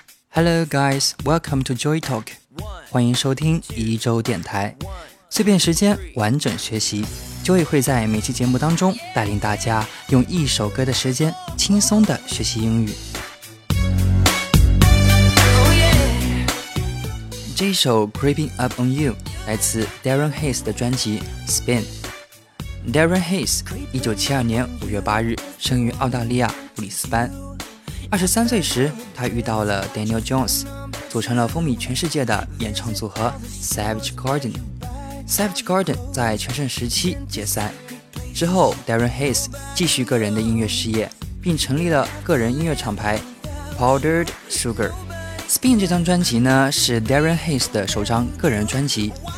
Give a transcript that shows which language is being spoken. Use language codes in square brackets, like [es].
[en] Hello guys, welcome to Joy Talk. [zh] 欢迎收听一周电台，碎片时间，完整学习。 Joy 会在每期节目当中带领大家用一首歌的时间轻松地学习英语。这首 Creeping Up On You 来自 Darren Hayes 的专辑 Spin。 Darren Hayes 1972年5月8日生于澳大利亚布里斯班，23岁时他遇到了 Daniel Jones， 组成了风靡全世界的演唱组合 Savage Garden。 Savage Garden 在全盛时期解散之后， Darren Hayes 继续个人的音乐事业，并成立了个人音乐厂牌 Powdered SugarSpin 这张专辑呢，是 Darren Hayes 的首张个人专辑。